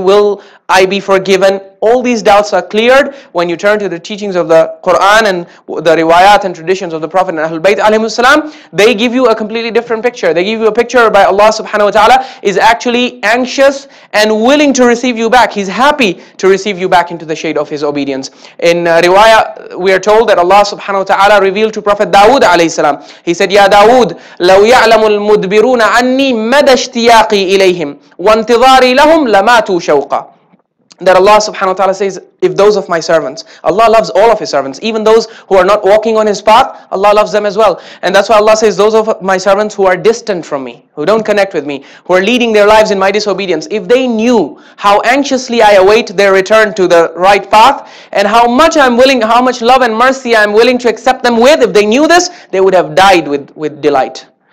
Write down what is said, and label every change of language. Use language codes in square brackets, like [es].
[en] Will I be forgiven? All these doubts are cleared when you turn to the teachings of the Quran and the riwayat and traditions of the Prophet and Ahlul Bayt alayhi salam. They give you a completely different picture. They give you a picture by Allah subhanahu wa ta'ala is actually anxious and willing to receive you back. He's happy to receive you back into the shade of His obedience. In riwayat, we are told that Allah subhanahu wa ta'ala revealed to Prophet Dawood alayhi salam. He said, [ar] Ya Dawood, لَوْ يَعْلَمُ الْمُدْبِرُونَ عَنِّي مَدَ اشْتِيَاقِي إِلَيْهِمْ وَانْتِظَارِي لَهُمْ لَمَاتُوا شَوْقًا. [en] That Allah subhanahu wa ta'ala says, if those of my servants, Allah loves all of His servants, even those who are not walking on His path, Allah loves them as well. And that's why Allah says, those of my servants who are distant from me, who don't connect with me, who are leading their lives in my disobedience, if they knew how anxiously I await their return to the right path, and how much I'm willing, how much love and mercy I'm willing to accept them with, if they knew this, they would have died with delight.